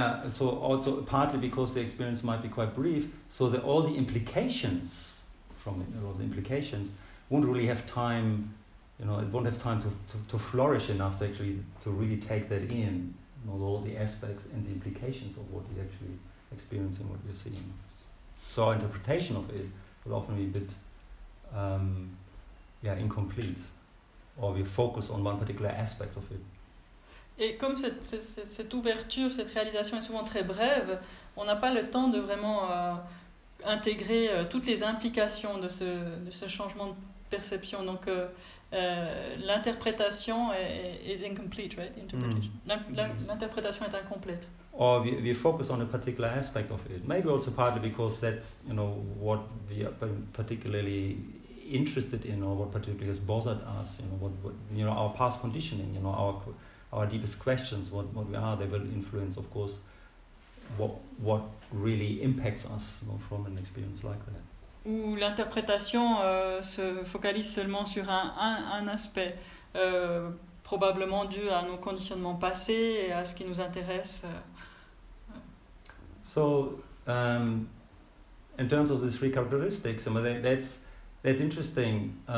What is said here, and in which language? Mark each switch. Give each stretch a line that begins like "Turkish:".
English: So also partly because the experience might be quite brief, so that all the implications from it, all the implications, won't really have time, you know, it won't have time to flourish enough to really take that in. Not all the aspects and the implications of what you're actually experiencing, what you're seeing. So our interpretation of it will often be a bit incomplete, or we focus on one particular aspect of it.
French: Et comme cette ouverture, cette réalisation est souvent très brève, on n'a pas le temps de vraiment intégrer toutes les implications de ce changement de perception. Donc l'interprétation
English: is incomplete, right?
French: L'interprétation est incomplète.
English: Or we focus on a particular aspect of it. Maybe also partly because that's, you know, what we are particularly interested in, or what particularly has bothered us. You know, what our past conditioning. You know, our deepest questions. What we are. They will influence, of course, what really impacts us, you know, from an experience like that.
French: Où l'interprétation se focalise seulement sur un aspect, probablement dû à nos conditionnements passés et à ce qui nous intéresse.
English: So, in terms of these three characteristics, I mean, that's interesting.